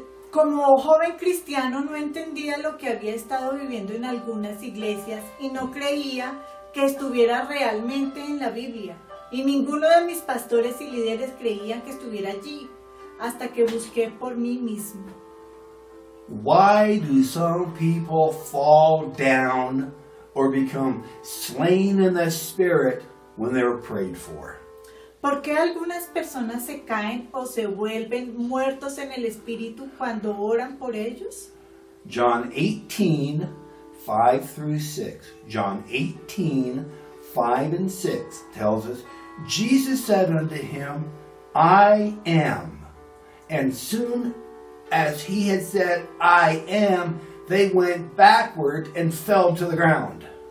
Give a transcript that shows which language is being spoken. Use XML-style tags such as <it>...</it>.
<es>Como joven cristiano, no entendía lo que había estado viviendo en algunas iglesias y no creía que estuviera realmente en la Biblia. Y ninguno de mis pastores y líderes creían que estuviera allí, hasta que busqué por mí mismo.</es> <en>Why do some people fall down or become slain in the spirit when they're prayed for?</en> <es>¿Por qué algunas personas se caen o se vuelven muertos en el espíritu cuando oran por ellos?</es> <en>John 18:5-6. John 18:5-6 tells us, Jesus said unto him, I am. And soon as he had said, I am, they went backward and fell to the ground.</en>